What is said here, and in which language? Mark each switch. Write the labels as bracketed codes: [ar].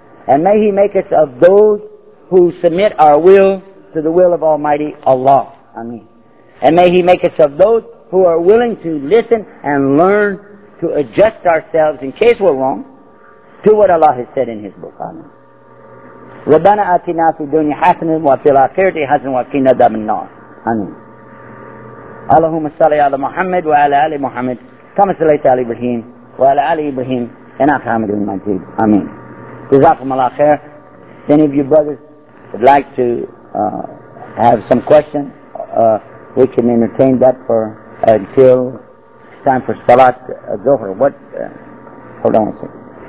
[en] And may He make us of those who submit our will to the will of Almighty Allah. Ameen. And may He make us of those who are willing to listen and learn to adjust ourselves in case we're wrong to what Allah has said in His book. Ameen. [ar] ربنا آتنا في الدنيا حسنة وفي الآخرة حسنة وقنا عذاب النار. آمين. اللهم صل على محمد وعلى آل محمد كما صليت على إبراهيم وعلى آل إبراهيم إنك حميد مجيد. آمين. جزاكم الله خير. [en] Any of you brothers would like to have some question, we can entertain that for until time for Salat Zuhr. What? Hold on a second.